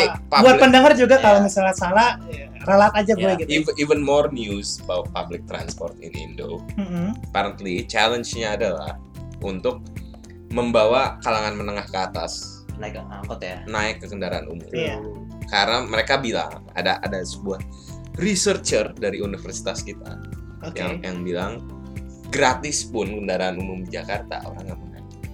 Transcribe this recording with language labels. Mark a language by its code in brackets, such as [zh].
[id] Buat pendengar juga kalau misalnya salah. Ralat aja gue gitu. [en] Even more news about public transport in Indo. [id] Apparently challenge-nya adalah untuk membawa kalangan menengah ke atas naik angkot ya. Naik ke kendaraan umum. Iya. Karena mereka bilang ada sebuah researcher dari universitas kita yang bilang gratis pun kendaraan umum di Jakarta orang nggak mau naik.